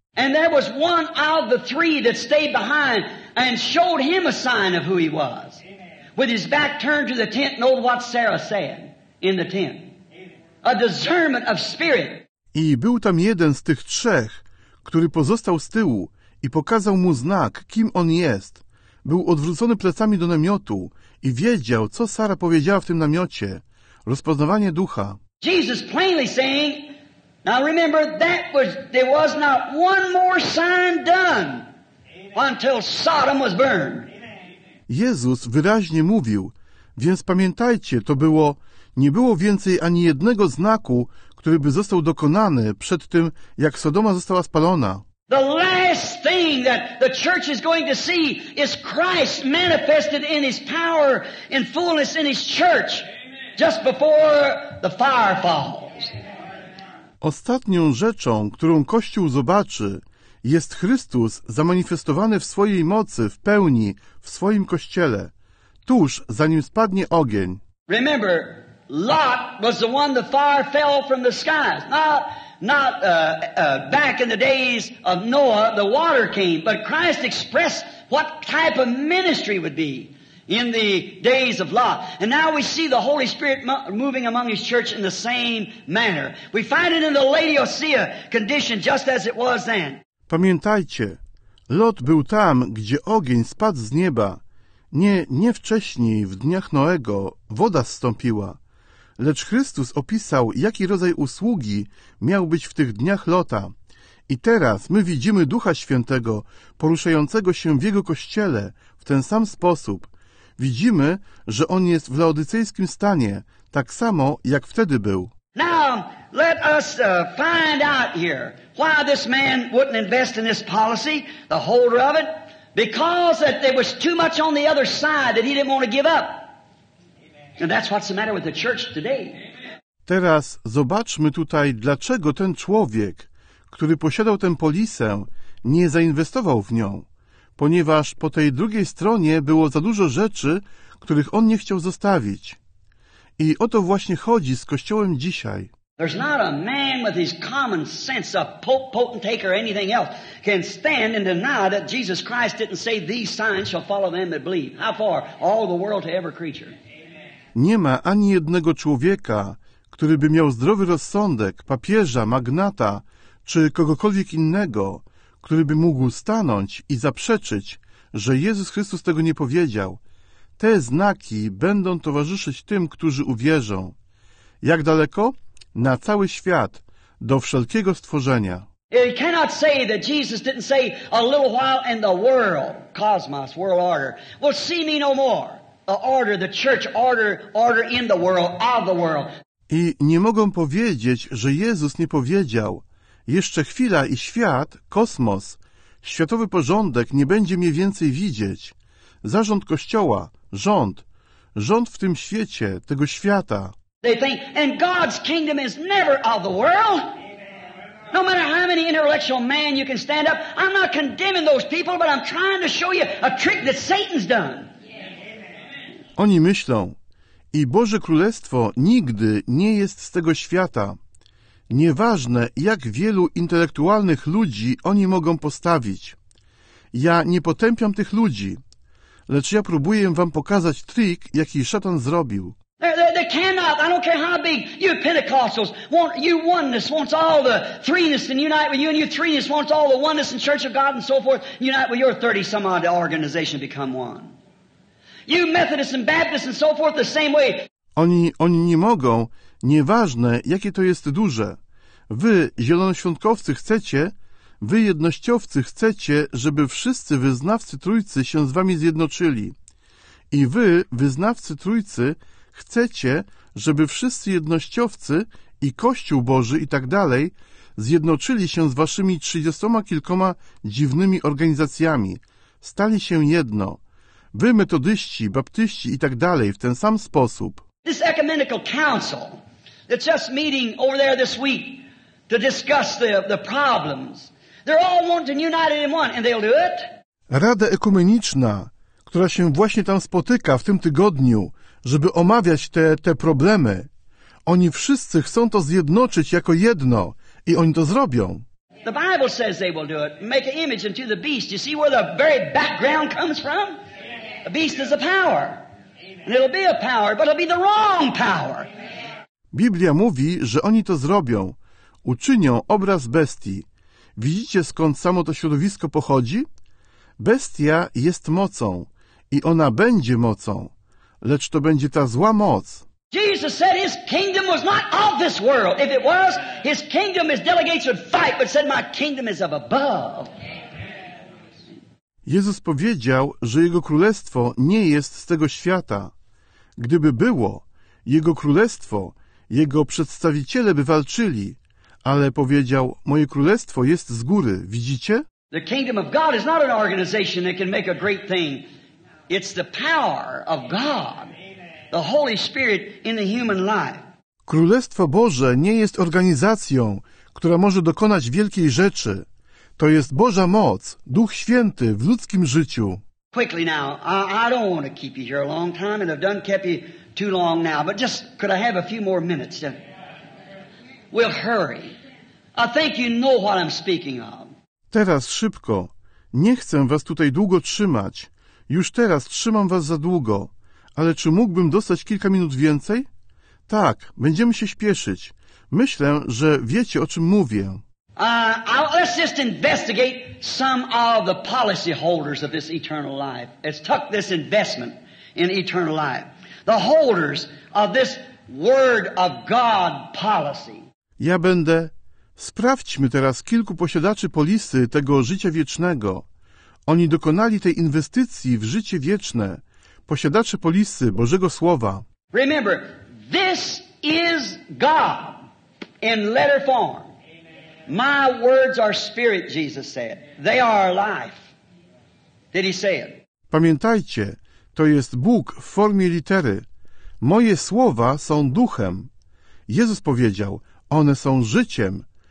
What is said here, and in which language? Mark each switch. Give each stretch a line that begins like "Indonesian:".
English: And there was one out of the three that stayed behind and showed him a sign of who he was. With his back turned to the tent, know what Sarah said in the tent. A discernment of spirit.
Polish: I był tam jeden z tych trzech, który pozostał z tyłu, i pokazał mu znak, kim on jest. Był odwrócony plecami do namiotu i wiedział, co Sara powiedziała w tym namiocie. Rozpoznawanie ducha.
English: Jesus plainly saying, now remember, that was, there was not one more sign done until Sodom was burned.
Polish: Jezus wyraźnie mówił, więc pamiętajcie, to było, nie było więcej ani jednego znaku, który by został dokonany przed tym, jak Sodoma została spalona.
English: The last thing that the church is going to see is Christ manifested in his power and fullness in his church just before the fire falls.
Polish: Ostatnią rzeczą, którą Kościół zobaczy, jest Chrystus zamanifestowany w swojej mocy w pełni w swoim Kościele, tuż zanim spadnie ogień.
English: Remember, Lot was the one the fire fell from the skies, not back in the days of Noah, the water came, but Christ expressed what type of ministry would be in the days of Lot. And now we see the Holy Spirit moving among his church in the same manner. We find it in the Laodicea condition just as it was then.
Polish: Pamiętajcie, Lot był tam, gdzie ogień spadł z nieba. Nie wcześniej, w dniach Noego, woda zstąpiła. Lecz Chrystus opisał, jaki rodzaj usługi miał być w tych dniach Lota I teraz my widzimy Ducha Świętego poruszającego się w Jego Kościele w ten sam sposób. Widzimy, że On jest w laodycejskim stanie, tak samo jak wtedy był.
English: Now, let us find out here why this man wouldn't invest in this policy, the holder of it, because that there was too much on the other side that he didn't want to give up. And that's what's the matter with the church today.
Polish: Teraz zobaczmy tutaj, dlaczego ten człowiek, który posiadał tę polisę, nie zainwestował w nią, ponieważ po tej drugiej stronie było za dużo rzeczy, których on nie chciał zostawić. I o to właśnie chodzi z Kościołem dzisiaj.
English: There's not a man with his common sense, a potentate or anything else, can stand and deny that Jesus Christ didn't say these signs shall follow them that believe. How far? All the world to every creature.
Polish: Nie ma ani jednego człowieka, który by miał zdrowy rozsądek, papieża, magnata, czy kogokolwiek innego, który by mógł stanąć i zaprzeczyć, że Jezus Chrystus tego nie powiedział. Te znaki będą towarzyszyć tym, którzy uwierzą. Jak daleko? Na cały świat, do wszelkiego stworzenia.
English: You cannot say that Jesus didn't say a little while and the world, cosmos, world order, will see me no more. The order, the church, order in the world, of the world.
Polish: I nie mogą powiedzieć, że Jezus nie powiedział, jeszcze chwila i świat, kosmos, światowy porządek nie będzie mnie więcej widzieć. Zarząd Kościoła, rząd w tym świecie, tego świata.
English: They think, and God's kingdom is never of the world. No matter how many intellectual man you can stand up, I'm not condemning those people, but I'm trying to show you a trick that Satan's done.
Polish: Oni myślą, i Boże Królestwo nigdy nie jest z tego świata. Nieważne, jak wielu intelektualnych ludzi oni mogą postawić. Ja nie potępiam tych ludzi, lecz ja próbuję wam pokazać trik, jaki szatan zrobił.
English: They cannot, I don't care how big, you Pentecostals, want you oneness wants all the threeness and unite with you, and you threeness wants all the oneness in Church of God and so forth, and unite with your 30-some-odd organization become one. You Methodists and Baptists and so forth the same way.
Polish: Oni nie mogą, nieważne jakie to jest duże. Wy, zielonoświątkowcy, chcecie, wy, jednościowcy, chcecie, żeby wszyscy wyznawcy Trójcy się z wami zjednoczyli. I wy, wyznawcy Trójcy, chcecie, żeby wszyscy jednościowcy i Kościół Boży i tak dalej zjednoczyli się z waszymi 30-kilkoma dziwnymi organizacjami. Stali się jedno. Wy, metodyści, baptyści i tak dalej, w ten sam sposób.
English: This ecumenical council that's just meeting over there this week to discuss the problems. They're all wanting united in one, and they'll do it.
Polish: Rada ekumeniczna, która się właśnie tam spotyka w tym tygodniu, żeby omawiać te problemy. Oni wszyscy chcą to zjednoczyć jako jedno i oni to zrobią.
English: The Bible says they will do it. Make an image unto the beast. You see where the very background comes from? The beast is a power. And it'll be a power, but it'll be the wrong power.
Polish: Biblia mówi, że oni to zrobią. Uczynią obraz bestii. Widzicie, skąd samo to środowisko pochodzi? Bestia jest mocą i ona będzie mocą. Lecz to będzie ta zła moc.
English: Jesus said his kingdom was not of this world. If it was, his kingdom, his delegates would fight, but said my kingdom is of above.
Polish: Jezus powiedział, że Jego Królestwo nie jest z tego świata. Gdyby było, Jego Królestwo, Jego przedstawiciele by walczyli, ale powiedział, moje Królestwo jest z góry, widzicie?
English: The kingdom of God is not an organization that can make a great thing. It's the power of God, the Holy Spirit in the human life.
Polish: Królestwo Boże nie jest organizacją, która może dokonać wielkiej rzeczy. To jest Boża moc, Duch Święty w ludzkim życiu.
English: Quickly now, I don't want to keep you here a long time, and I've done kept you too long now, but just could I have a few more minutes? We'll hurry. I think you know what I'm speaking of.
Polish: Teraz szybko. Nie chcę was tutaj długo trzymać. Już teraz trzymam was za długo, ale czy mógłbym dostać kilka minut więcej? Tak, będziemy się śpieszyć. Myślę, że wiecie, o czym mówię.
English: Let's just investigate some of the policy holders of this eternal life. Let's tuck this investment in eternal life. The holders of this word of God policy.
Polish: Ja będę Sprawdźmy teraz kilku posiadaczy polisy tego życia wiecznego. Oni dokonali tej inwestycji w życie wieczne. Posiadacze polisy Bożego Słowa.
English: Remember, this is God in letter form. My words are spirit, Jesus said. They are life. Did he say it?
Polish: Pamiętajcie, to jest Bóg w formie litery. Moje słowa są duchem. Jezus powiedział, one są życiem.